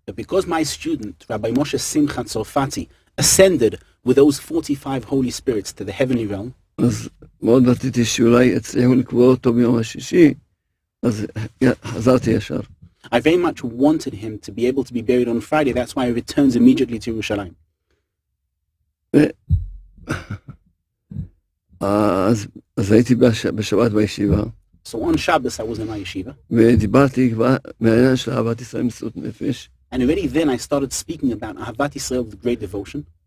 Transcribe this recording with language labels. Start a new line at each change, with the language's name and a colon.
English: Because my student, רבי משה שמחה צרפתי, ascended with those 45 holy spirits to the heavenly realm.
Hebrew: אז מאוד רציתי שאולי יצליחו לקבור אותו ביום השישי, אז חזרתי ישר.
English: I very much wanted him to be able to be buried on Friday. That's why he returns immediately to Yerushalayim.
Hebrew: אז הייתי בשבת בישיבה.
English: So on Shabbos I was in my yeshiva.
Hebrew: ודיברתי כבר מהעניין של אהבת ישראל מסירות נפש.
English: And already then I started speaking about Ahavat Yisrael with great devotion.